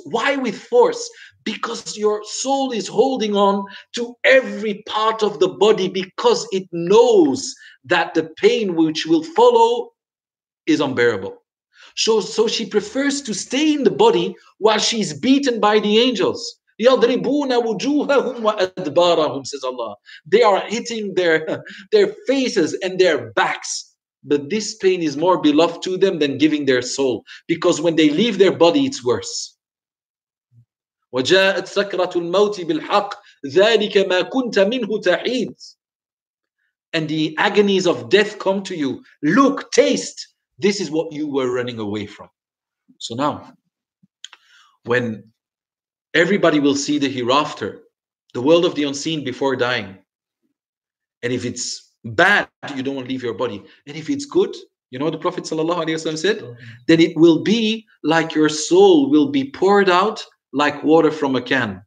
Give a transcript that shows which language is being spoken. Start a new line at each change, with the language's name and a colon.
English: Why with force? Because your soul is holding on to every part of the body because it knows that the pain which will follow is unbearable. So she prefers to stay in the body while she's beaten by the angels.
Arabic: يَضْرِبُونَ وُجُوهَهُمْ وَأَدْبَارَهُمْ
English: says Allah. They are hitting their faces and their backs. But this pain is more beloved to them than giving their soul. Because when they leave their body, it's worse.
Arabic: وَجَاءَتْ سَكْرَةُ الْمَوْتِ بِالْحَقِّ ذَلِكَ مَا كُنْتَ مِنْهُ تَحِيدُ
English: And the agonies of death come to you. Look, taste. This is what you were running away from. So now, when everybody will see the hereafter, the world of the unseen before dying, and if it's bad, you don't want to leave your body. And if it's good, you know what the Prophet sallallahu alaihi wasallam said? Then it will be like your soul will be poured out like water from a can.